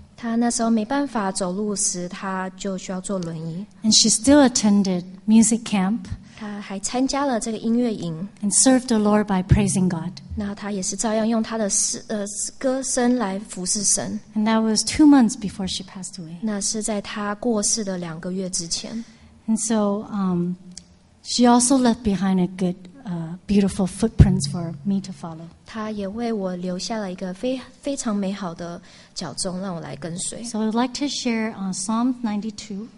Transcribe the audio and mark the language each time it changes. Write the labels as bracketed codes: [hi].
[zh] 她那时候没办法走路时，她就需要坐轮椅。 [en] And she still attended music camp. [zh] 她还参加了这个音乐营。 [en] And served the Lord by praising God. [zh] 那她也是照样用她的歌声来服侍神。 [en] And that was 2 months before she passed away. [zh] 那是在她过世的两个月之前。 [en] And so, she also left behind a good, beautiful footprints for me to follow. [zh] 她也为我留下了一个非常美好的脚踪，让我来跟随。 [en] So I'd like to share on Psalm 92.